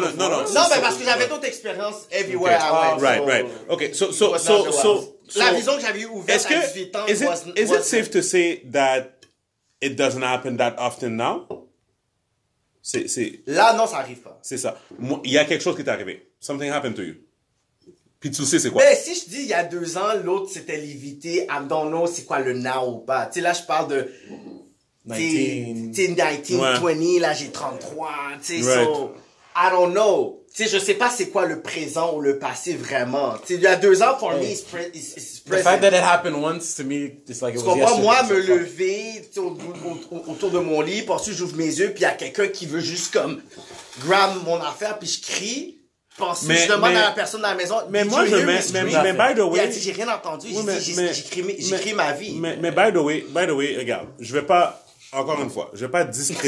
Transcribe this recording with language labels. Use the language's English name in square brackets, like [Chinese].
[French] mais parce que j'avais d'autres expériences [English] everywhere I went. Right. Okay, so. [French] La maison que j'avais ouverte à 18 ans [English] was... Is it safe to say that it doesn't happen that often now? [French] C'est... Là, non, ça arrive pas. C'est ça. Il y a quelque chose qui t'est arrivé. [English] Something happened to you. [French] Puis tu sais c'est quoi? Mais si je dis il y a 2 ans, l'autre s'était lévité, [English] I don't know [French] c'est quoi le now ou pas. Tu sais, là, je parle de... 19, ouais. 20, là, j'ai 33, tu sais, right. [English] So... I don't know. [French] Tu sais, je sais pas c'est quoi le présent ou le passé vraiment. Tu sais, il y a 2 ans, [English] for me, it's present. The fact that it happened once, to me, it's like it was yesterday. [French] Moi, me lever autour de mon lit, puis ensuite, j'ouvre mes yeux, puis il y a quelqu'un qui veut juste, comme, grab mon affaire, puis je crie. Je demande à la personne de la maison. Mais moi, je mets, mais [English] by the way. [French] Il a dit, j'ai rien entendu. Oui, j'ai crié ma vie. Mais [English] by the way, [French] regarde, je vais pas... Encore une fois, je vais pas discréditer.